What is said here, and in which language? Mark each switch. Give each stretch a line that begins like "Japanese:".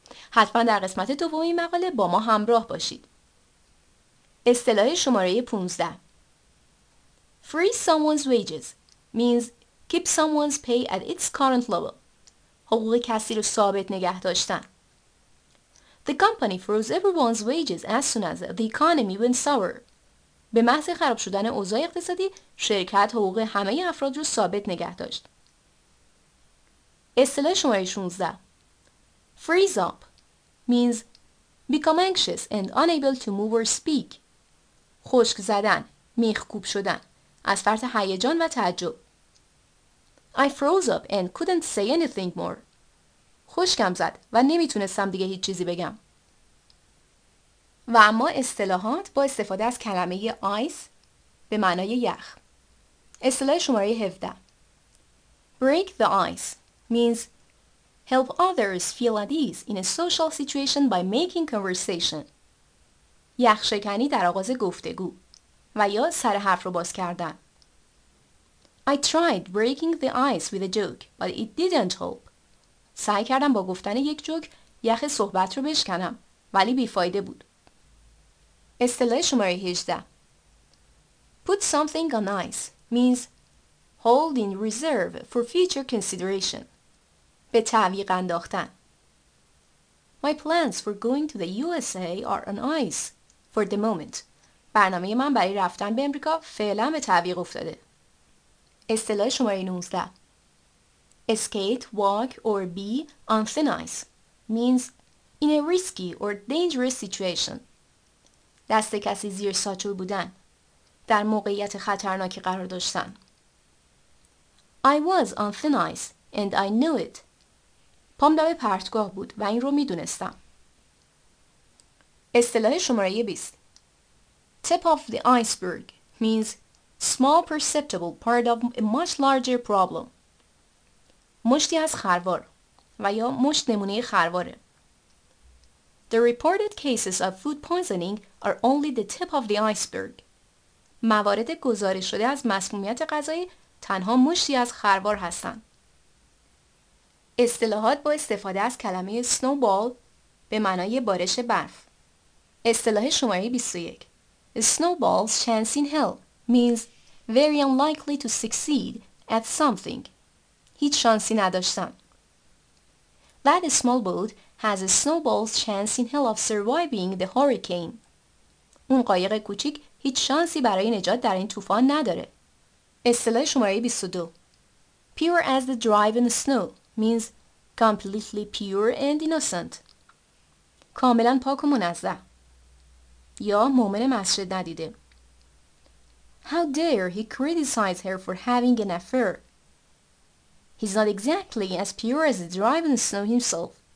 Persian: حتما در قسمت دوم این مقاله با ما همراه باشید. اصطلاح شماره
English: 15 Freeze someone's wages means Keep someone's pay at its current level.
Persian: حقوق کسی رو ثابت نگه داشتن.
English: The company froze everyone's wages as soon as the economy went sour.
Persian: به محض خراب شدن اوضاع اقتصادی، شرکت حقوق همه افراد رو ثابت نگه داشت. اصطلاح شماره
English: 16 Freeze up means become anxious and unable to move or speak.
Persian: خشک زدن، میخکوب شدن، از فرط هیجان و تعجب.
English: I froze up and couldn't say anything more.
Persian: خشکم زد و نمیتونستم دیگه هیچ چیزی بگم. و اما اصطلاحات با استفاده از کلمه ice به معنای یخ. اصطلاح شماره
English: 17. Break the ice means help others feel at ease in a social situation by making conversation.
Persian: یخ شکنی در آغاز گفتگو و یا سر حرف رو باز کردن.
English: I tried breaking the ice with a joke, but it didn't help.
Persian: سعی کردم با گفتن یک جوک یخ صحبت رو بشکنم، ولی بیفایده بود. اصطلاح شماره
English: 18 Put something on ice means hold in reserve for future consideration.
Persian: به تعویق انداختن.
English: My plans for going to the USA are on ice for the moment.
Persian: برنامه من برای رفتن به امریکا فعلا به تعویق افتاده. اصطلاح شماره
English: 19 Skate, walk or be on thin ice means in a risky or dangerous situation.
Persian: دست کسی زیر ساتور بودن، در موقعیت خطرناکی قرار داشتن.
English: I was on thin ice and I knew it.
Persian: پام دم پرتگاه بود و این رو می دونستم. اصطلاح شماره
English: 20 Tip of the iceberg means Small perceptible part of a much larger problem.
Persian: مشتی از خروار و یا مشت نمونه خرواره.
English: The reported cases of food poisoning are only the tip of the iceberg.
Persian: موارد گزارش شده از مسمومیت غذایی تنها مشتی از خروار هستند. اصطلاحات با استفاده از کلمه snowball به معنای بارش برف. اصطلاح شماره
English: 21 Snowballs chance in hell means very unlikely to succeed at something.
Persian: هیچ شانسی نداشتن.
English: That small boat has a snowball's chance in hell of surviving the hurricane.
Persian: اون قایق کوچیک هیچ شانسی برای نجات در این طوفان نداره. اصطلاح شماره
English: 22 Pure as the driven snow means completely pure and innocent.
Persian: کاملا پاک و منزه. یا مؤمن مسجد ندیده.
English: How dare he criticize her for having an affair? He's not exactly as pure as the driving snow himself.